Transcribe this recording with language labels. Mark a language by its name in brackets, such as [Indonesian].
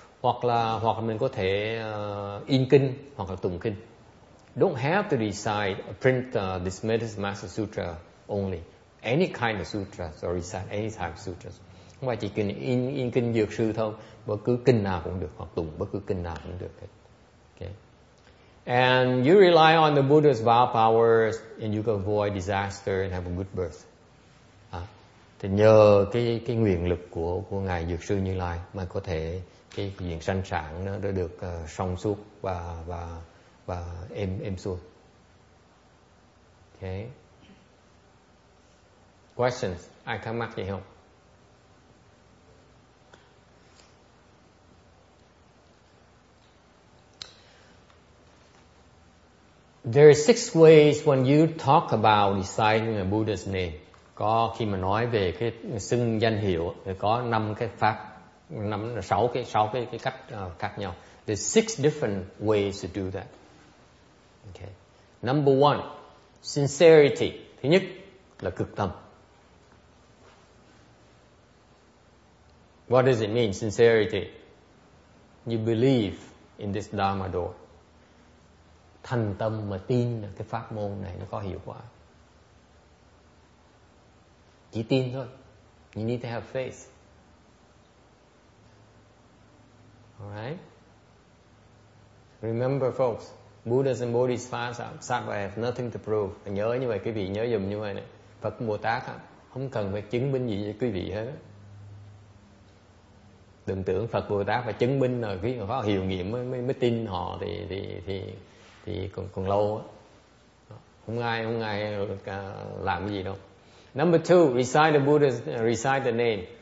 [Vietnamese] Hoặc mình có thể in kinh hoặc là tụng kinh. [English] Don't have to recite print this Meditation Master Sutra only. Any kind of sutras or recite any type of sutras. [Vietnamese] Không phải chỉ kinh in kinh dược sư thôi. Bất cứ kinh nào cũng được hoặc tụng bất cứ kinh nào cũng được. [English] Okay. And you rely on the Buddha's vow powers and you can avoid disaster and have a good birth. [Vietnamese] Thì nhờ cái nguyện lực của Ngài Dược Sư Như Lai mà có thể cái chuyện sanh sản nó đã được song suốt và êm xuôi. [English] Okay. Questions? [Vietnamese] Ai thắc mắc gì không? [English] There are six ways when you talk about reciting a Buddha's name. [Vietnamese] Có khi mà nói về cái xưng danh hiệu có năm cái pháp. Sáu cái cách khác nhau. [English] There's six different ways to do that. Okay. Number one, sincerity. [Vietnamese] Thứ nhất là cực tâm. [English] What does it mean, sincerity? You believe in this Dharma door. [Vietnamese] Thành tâm mà tin là cái pháp môn này nó có hiệu quả. Chỉ tin thôi. [English] You need to have faith. Alright. Remember folks, Buddhas and Bodhisattvas have nothing to prove. [Vietnamese] Nhớ như vậy, quý vị nhớ dùm như vậy này. Phật Bồ Tát không cần phải chứng minh gì cho quý vị hết. Đừng tưởng Phật Bồ Tát phải chứng minh rồi quý vị có hiệu nghiệm mới tin họ thì còn lâu á. Không ai làm cái gì đâu. [English] Number two, recite the name.